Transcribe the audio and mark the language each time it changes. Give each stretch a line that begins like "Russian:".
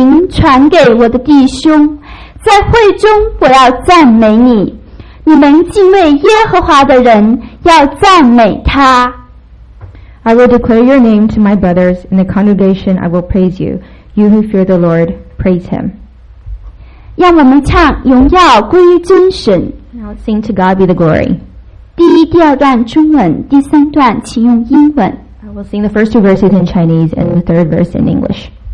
Chinese: 传给我的弟兄，在会中我要赞美你，你们敬畏耶和华的人要赞美他。
English: I will declare your name to my brothers, in the congregation I will praise you. You who fear the Lord, praise him.
Chinese: 让我们唱荣耀归于真神。
English: Now sing to God be the glory.
Chinese: 第一、第二段中文，第三段请用英文。
English: I will sing the first two verses in Chinese and the third verse in English.